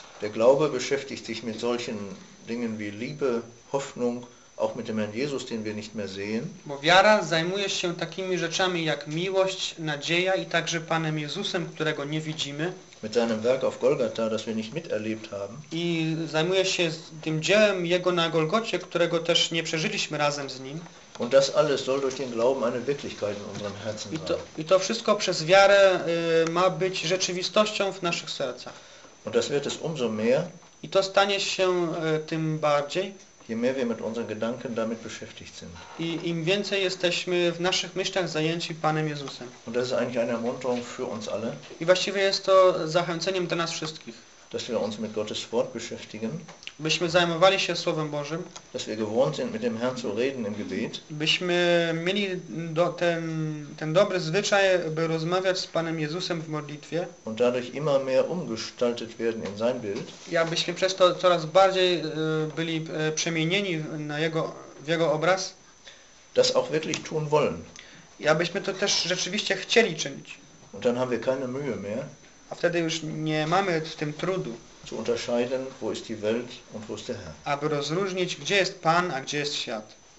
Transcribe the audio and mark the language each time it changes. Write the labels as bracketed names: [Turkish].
[German] Der Glaube beschäftigt sich mit solchen Dingen wie Liebe, Hoffnung, auch mit dem Herrn Jesus, den wir nicht mehr sehen. [Polish] Bo wiara zajmuje się takimi rzeczami jak miłość, nadzieja i także Panem Jezusem, którego nie widzimy. [German] Mit seinem Werk auf Golgatha, das wir nicht miterlebt haben. [Polish] I zajmuje się tym dziełem Jego na Golgocie, którego też nie przeżyliśmy razem z Nim. [German] Und das alles soll durch den Glauben eine Wirklichkeit in unserem Herzen sein. [Polish] I to wszystko przez wiarę ma być rzeczywistością w naszych sercach. [German] Und das wird es umso mehr. [Polish] I to stanie się tym bardziej. [German] Je mehr wir mit unseren Gedanken damit beschäftigt sind. [Polish] I im więcej jesteśmy w naszych myślach zajęci Panem Jezusem. [German] Und das ist eigentlich eine Ermunterung für uns alle. [Polish] I właściwie jest to zachęceniem dla nas wszystkich. [German] Dass wir uns mit Gottes Wort beschäftigen. [Polish] Byśmy zajmowali się Słowem Bożym. [German] Dass wir gewohnt sind, mit dem Herrn zu reden im Gebet. [Polish] Byśmy mieli ten dobry zwyczaj, by rozmawiać z Panem Jezusem w modlitwie. [German] Und dadurch immer mehr umgestaltet werden in sein Bild. [Polish] I abyśmy przez to coraz bardziej byli przemienieni w Jego obraz. [German] Das auch wirklich tun wollen. [Polish] I abyśmy to też rzeczywiście chcieli czynić. [German] Und dann haben wir keine Mühe mehr. [Polish] A wtedy już nie mamy w tym trudu. [German] Zu unterscheiden, wo ist die Welt und wo ist der Herr. [Polish] Aby rozróżnić, gdzie jest Pan, a gdzie jest świat.